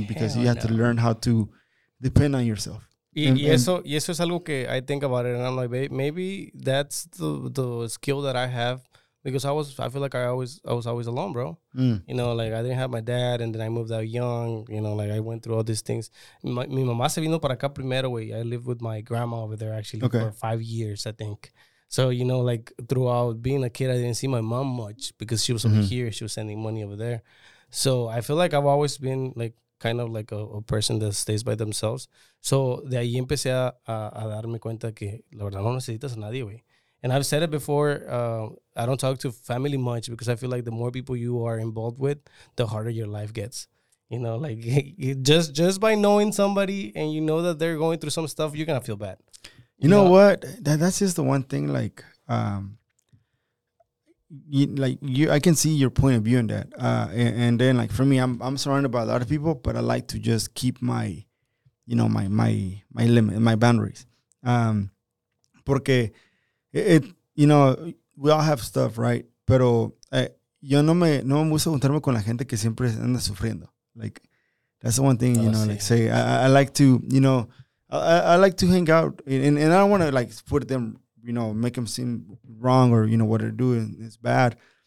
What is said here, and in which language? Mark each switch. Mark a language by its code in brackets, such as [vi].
[en] Hell, because you had to learn how to depend on yourself. [es] Y eso es algo que [en] I think about it. And I'm like, maybe that's the skill that I have. Because I feel like I was always alone, bro. Mm. You know, like, I didn't have my dad, and then I moved out young. You know, like, I went through all these things. [es] Mi mamá se vino para acá primero, güey. [en] I lived with my grandma over there, actually, for 5 years, I think. So, you know, like, throughout being a kid, I didn't see my mom much because she was over here. She was sending money over there. So I feel like I've always been, like, kind of like a person that stays by themselves. [es] So de ahí empecé a darme cuenta que, la verdad, no necesitas a nadie, güey. [en] And I've said it before, I don't talk to family much because I feel like the more people you are involved with, the harder your life gets. You know, like, just by knowing somebody and you know that they're going through some stuff, you're going to feel bad. You know what? That's just the one thing, like, I can see your point of view in that. And then, like, for me, I'm surrounded by a lot of people, but I like to just keep my, you know, my limit, my boundaries. Porque... It, you know, we all have stuff, right? [es] Pero yo no me gusta juntarme con la gente que siempre anda sufriendo. [en] Like, that's the one thing, you know, like, say, I like to, you know, I like to hang out. And I don't want to, like, put them, you know, make them seem wrong or, you know, what they're doing is bad.